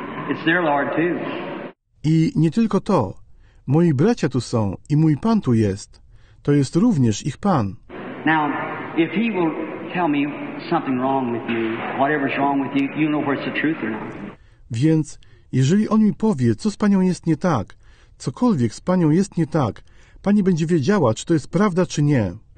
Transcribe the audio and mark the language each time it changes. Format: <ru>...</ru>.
<en>It's their Lord too.</en> <pl>I nie tylko to. Moi bracia tu są i mój Pan tu jest. To jest również ich Pan.</pl> <en>Now, if he will tell me something wrong with you, whatever's wrong with you, you know where it's the truth or not.</en> <pl>Więc jeżeli on mi powie, co z panią jest nie tak, cokolwiek z panią jest nie tak, pani będzie wiedziała, czy to jest prawda, czy nie.</pl>